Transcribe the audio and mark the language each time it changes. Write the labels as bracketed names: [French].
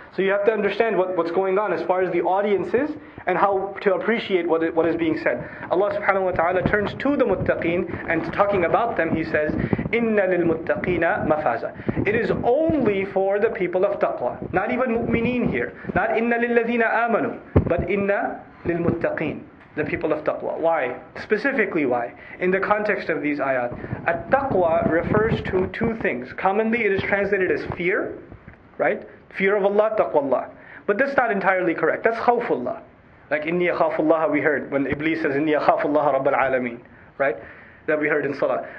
[English] So you have to understand what's going on as far as the audience is and how to appreciate what is being said. Allah subhanahu wa ta'ala turns to the muttaqeen and talking about them, He says, [Arabic] إِنَّ لِلْمُتَّقِينَ مَفَازَ. [English] It is only for the people of taqwa. Not even mu'mineen here. Not [Arabic] إِنَّ لِلَّذِينَ آمَنُوا. [English] But [Arabic] إِنَّ لِلْمُتَّقِينَ. [English] The people of taqwa. Why? Specifically why? In the context of these ayat, at-taqwa refers to two things. Commonly it is translated as fear, right? Fear of Allah, taqwallah. But that's not entirely correct. That's khawfullah. Like, inni khawfullah, we heard when Iblis says, [Arabic] inni khawfullah rabbal alameen. [English] Right? That we heard in salah.